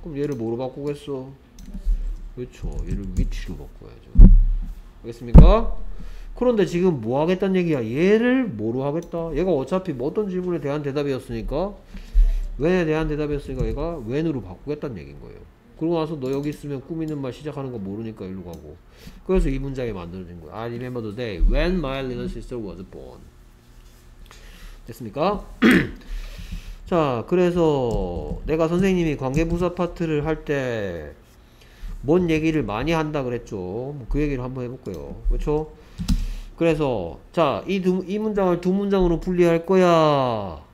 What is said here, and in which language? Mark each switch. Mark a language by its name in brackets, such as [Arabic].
[Korean] 그럼 얘를 뭐로 바꾸겠어? 그쵸? 얘를 위치로 바꿔야죠. 알겠습니까? 그런데 지금 뭐 하겠다는 얘기야? 얘를 뭐로 하겠다? 얘가 어차피 어떤 질문에 대한 대답이었으니까 when에 대한 대답이었으니까 얘가 when으로 바꾸겠다는 얘기인 거예요. 그러고 나서 너 여기 있으면 꾸미는 말 시작하는 거 모르니까 이리로 가고 그래서 이 문장이 만들어진 거예요. [English] I remember the day when my little sister was born. [Korean] 됐습니까? 자, 그래서 내가 선생님이 관계부사 파트를 할 때 뭔 얘기를 많이 한다 그랬죠. 그 얘기를 한번 해볼게요. 그렇죠? 그래서 자, 이 문장을 두 문장으로 분리할 거야.